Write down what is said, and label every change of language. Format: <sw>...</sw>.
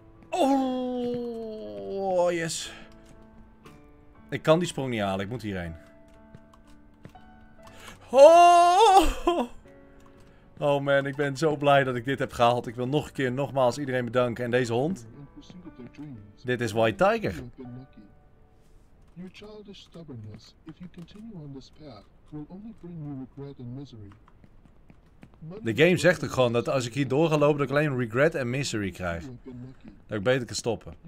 <en>Oh, yes.</en> <nl>Ik kan die sprong niet halen. Ik moet hierheen. Oh! Oh man, ik ben zo blij dat ik dit heb gehaald. Ik wil nog een keer nogmaals iedereen bedanken. En deze hond. Dit is White Tiger.</nl> <en>Your childish stubbornness, if you continue on this path, will only bring you regret and misery.</en> <nl>De game zegt ook gewoon dat als ik hier door ga lopen, dat ik alleen regret en misery krijg. Dat ik beter kan stoppen.</nl>